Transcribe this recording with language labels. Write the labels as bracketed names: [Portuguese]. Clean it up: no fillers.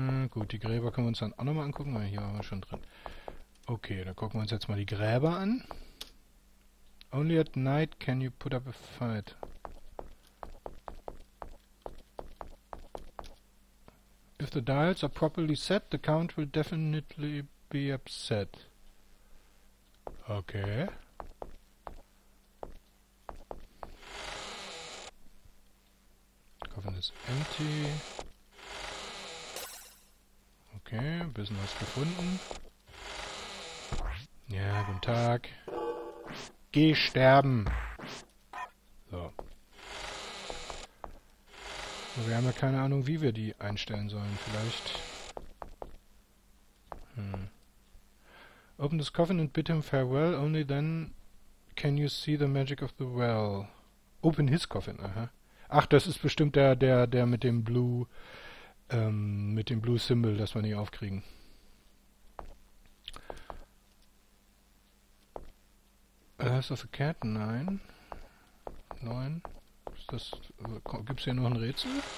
[German] Gut, die Gräber können wir uns dann auch nochmal angucken, weil hier waren wir schon drin. Okay, dann gucken wir uns jetzt mal die Gräber an. [English] Only at night can you put up a fight. If the dials are properly set, the count will definitely be upset. Okay. Coffin [German] ist [English] empty. [German] Okay, ein bisschen was gefunden. Ja, guten Tag. Geh sterben. So. Wir haben ja keine Ahnung, wie wir die einstellen sollen. Vielleicht. [English] Open this coffin and bid him farewell. Only then can you see the magic of the well. Open his coffin, aha. [German] Ach, das ist bestimmt der mit dem Blue, mit dem Blue Symbol, das wir nicht aufkriegen. House of the Cat, nein. 9. Ist das. Gibt's hier noch ein Rätsel?